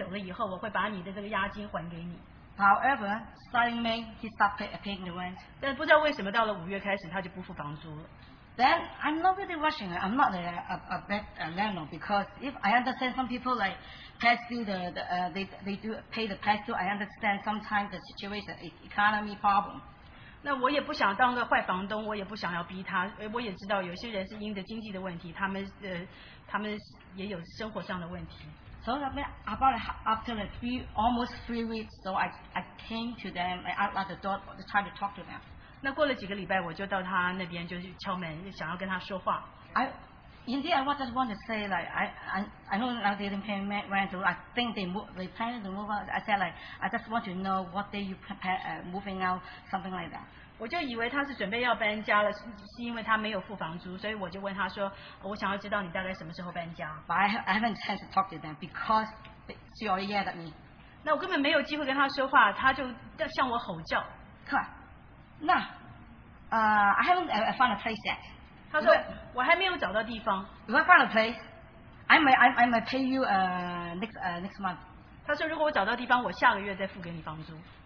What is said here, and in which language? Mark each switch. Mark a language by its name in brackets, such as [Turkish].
[Chinese] 通知，但是呢，我也不是要急着逼你走，你就是慢慢的搬，但是呢，在你搬走了以后，我会把你的这个押金还给你。 [English] However, starting May, he stopped paying the rent. [Chinese] 但不知道为什么到了五月开始，他就不付房租了。 [English] Then I'm not really rushing. I'm not a bad landlord because if I understand some people like pass through they do pay the pass through. I understand sometimes the situation economy problem. [Chinese] 那我也不想当个坏房东，我也不想要逼他，我也知道有些人是因着经济的问题，他们也有生活上的问题。 [English] So about after like almost three weeks, so I came to them, I opened the door to try to talk to them. [Chinese] 那过了几个礼拜，我就到他那边就去敲门，想要跟他说话。 [English] I Indeed, I just want to say, like, I know now they didn't pay rent, so I think they plan to move out. I said, like, I just want to know what day you prepare moving out, something like that. [Chinese] 我就以为他是准备要搬家了，是因为他没有付房租，所以我就问他说，我想要知道你大概什么时候搬家。 [English] But I haven't had a chance to talk to them because she already yelled at me. [Chinese] 那我根本没有机会跟他说话，他就向我吼叫。 [English] Come on. No. I haven't found a place yet. [Chinese] 他说我还没有找到地方。 [English] If I find a place, I may pay you next month. [Chinese] 他说如果我找到地方，我下个月再付给你房租。